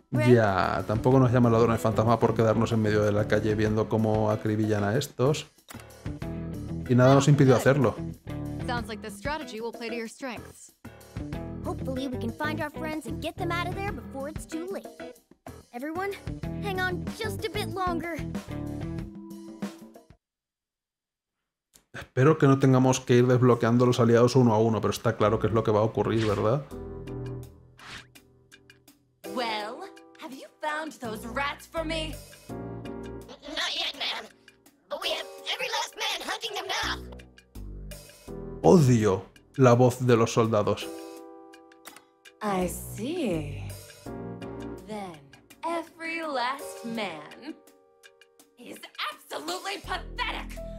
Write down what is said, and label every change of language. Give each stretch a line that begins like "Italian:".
Spanish: Ya, tampoco nos llama el ladrón de fantasma por quedarnos en medio de la calle viendo cómo acribillan a estos. Y nada nos impidió hacerlo.
English: Sounds like the strategy will play to your strengths. Hopefully we can find our friends and get them out of there before it's too late. Everyone, hang on just a bit longer.
Spanish: Espero que no tengamos que ir desbloqueando los aliados uno a uno, pero está claro que es lo que va a ocurrir, ¿verdad?
English: Well, have you found those rats for me? Not yet, ma'am. But we have every last man hunting them now.
Spanish: Odio la voz de los soldados.
English: I see. Then, every last man is absolutely pathetic.